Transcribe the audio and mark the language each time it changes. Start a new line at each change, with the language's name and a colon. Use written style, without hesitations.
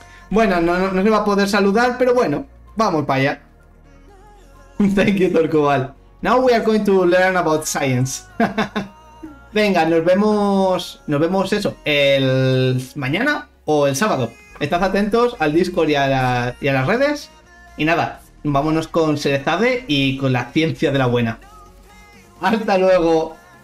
Spanish: Bueno, no se va a poder saludar, pero bueno, vamos para allá.
English: Thank you, Torcobal. Now we are going to learn about science.
Spanish: Venga, nos vemos eso, el mañana o el sábado. Estad atentos al Discord y a las redes. Y nada, vámonos con Serezade y con la ciencia de la buena. Hasta luego.